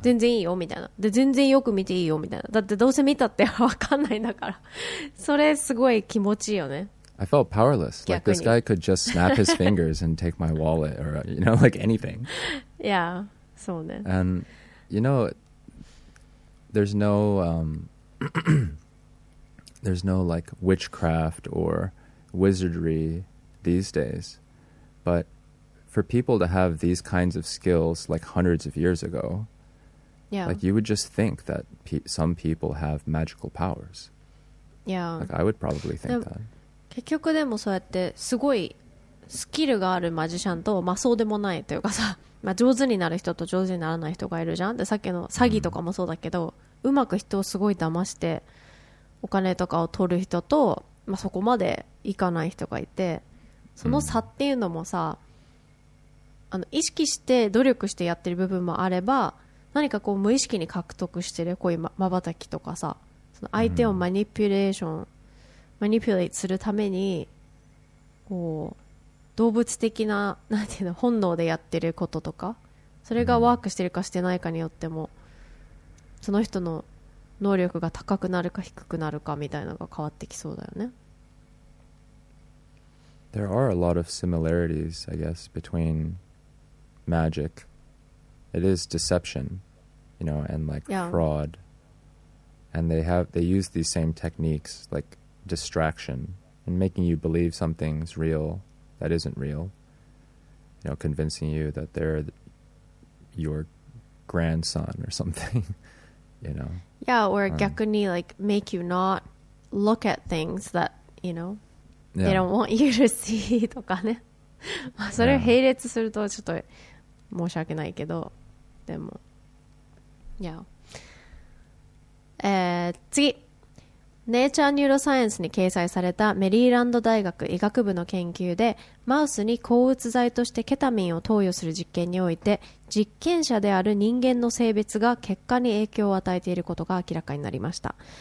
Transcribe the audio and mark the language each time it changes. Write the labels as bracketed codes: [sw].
[ja] 全然いいよみたいな、で全然よく見ていいよみたいな、だってどうせ見たって分かんないんだからそれすごい気持ちいいよね。 [en] I felt powerless. Like this guy could just snap his fingers and take my wallet or you know like anything. [ja] Yeah, そうね。 [en] And you know there's no There's no like witchcraft or wizardry these days. But for people to have these kinds of skills like hundreds of years ago, yeah. like you would just think that some people have magical powers. Yeah. Like I would probably think that. [ja] 結局でもそうやってすごいスキルがあるマジシャンと、まあそうでもないというかさ、まあ上手になる人と上手にならない人がいるじゃん。で、さっきの詐欺とかもそうだけど、うまく人をすごい騙して、お金とかを取る人と、まあ、そこまでいかない人がいて、その差っていうのもさ、意識して努力してやってる部分もあれば、何かこう無意識に獲得してる、こういうまばたきとかさ、その相手をマニピュレーション、マニピュレーするために、こう、動物的な、なんていうの、本能でやってることとか、それがワークしてるかしてないかによっても、その人の、能力が高くなるか低くなるかみたいなのが変わってきそうだよね。 [en] There are a lot of similarities, I guess, between magic. It is deception, you know, and like fraud. And they use these same techniques, like distraction and making you believe something's real that isn't real. You know, convincing you that they're your grandson or something, you know. Yeah, or [ja] 逆に, [en] like, make you not look at things that, you know, they don't want you to see [ja] とかね。まあ、それを並列するとちょっと申し訳ないけど、でも、yeah. 次、Nature Neuroscience に掲載されたメリーランド大学医学部の研究で、マウスに抗うつ剤としてケタミンを投与する実験において、実験者である人間の性別が結果に影響を与えていることが明らかになりました。